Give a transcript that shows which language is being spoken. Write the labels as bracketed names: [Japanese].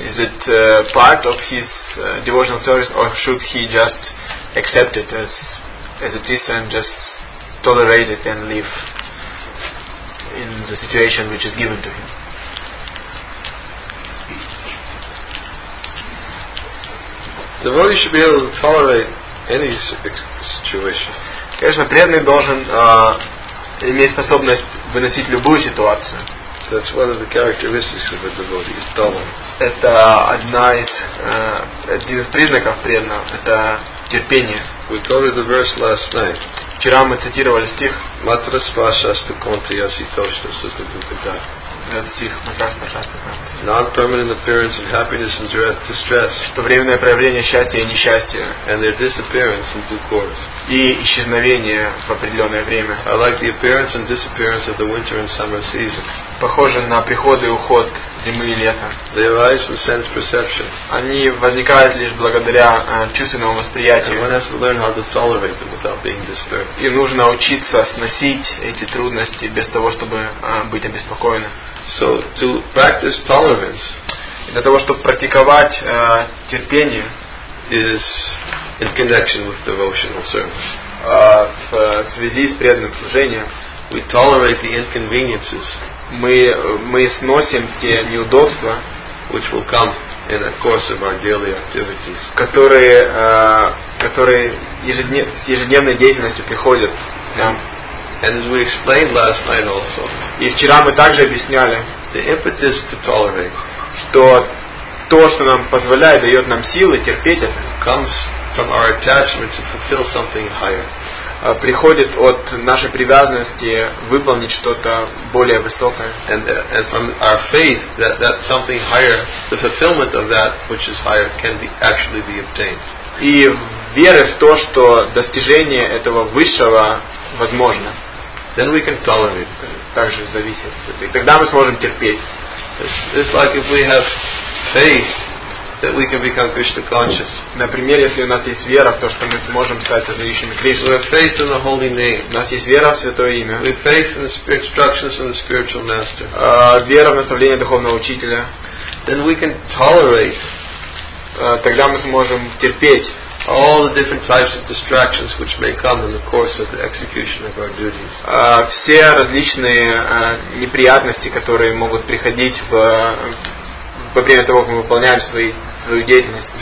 [English] Is it part of his devotional service, or should he just accept it as it is and just tolerate it and live in the situation which is given to him? Well, Devotee should be able to tolerate any situation. [Russian] Конечно, преданный должен иметь способность выносить любую ситуацию. [English] That's one of the characteristics of a devotee, is tolerance. [Russian] Это одна из один из признаков преданного. Это терпение. [English] We quoted the verse last night. [Russian] Вчера мы цитировали стих. [Sanskrit] Матра спаша сту конте яси тошта сута дупеда. [English] Non-permanent appearance of happiness and distress. [Russian] Что временное проявление счастья и несчастья. [English] And their disappearance in due course. [Russian] И исчезновение в определенное время. [English] I like the appearance and disappearance of the winter and summer seasons. [Russian] Похоже на приход и уход зимы и лета. [English] They arise from sense perception. [Russian] Они возникают лишь благодаря чувственному восприятию. [English] And one has to learn how to tolerate them without being disturbed. [Russian] И нужно учиться сносить эти трудности без того, чтобы быть обеспокоенным. [English] So to practice tolerance, [Russian] для того чтобы практиковать терпение, [English] is in connection with devotional service. [Russian] В связи с преданным служением, [English] we tolerate the inconveniences. [Russian] Мы сносим те неудобства, [English] which will come in the course of our daily activities, [Russian] которые ежедневной деятельностью приходят нам. [English] And as we explained last night also, [Russian] и вчера мы также объясняли, [English] the impetus to tolerate, [Russian] что то, что нам позволяет, дает нам силы терпеть это, [English] comes from our attachment to fulfill something higher. [Russian] Приходит от нашей привязанности выполнить что-то более высокое. [English] And from our faith that something higher, the fulfillment of that which is higher, can be actually be obtained. [Russian] И веры в то, что достижение этого высшего возможно. [English] Then we can tolerate. [Russian] Также зависит. И тогда мы сможем терпеть. [English] It's like if we have faith that we can become Krishna conscious. [Russian] Например, если у нас есть вера в то, что мы сможем стать сознающими Кришну. [English] We have faith in the holy name. [Russian] У нас есть вера в святое имя. [English] We have faith in the instructions of the spiritual master. [Russian] Вера в наставление духовного учителя. [English] Then we can tolerate. [Russian] Тогда мы сможем терпеть. [English] All the different types of distractions which may come in the course of the execution of our duties. [Russian] Все различные неприятности, которые могут приходить во время того, как мы выполняем свою деятельность.